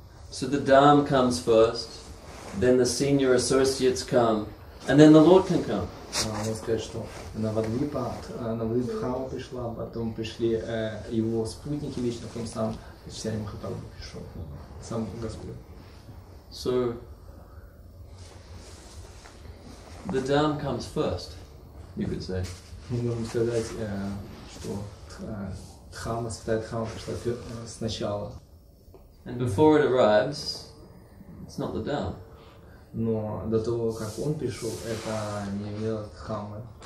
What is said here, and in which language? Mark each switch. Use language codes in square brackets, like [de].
[en] So the Dham comes first, then the senior associates come, and then the Lord can come. [ru] Можно сказать, что Навадвипа, Навадвипхау пришла, потом пришли его спутники лично, потом сам Ачарья Махапрабху пришел, сам Господь. [en] So, the Dham comes first, you could say. [ru] Можно сказать, что Дхамма, Святая Дхамма пришла сначала. [en] And before it arrives, it's not the Dham. [ru] Но до того, как он пришел, это не имело Дхаммы.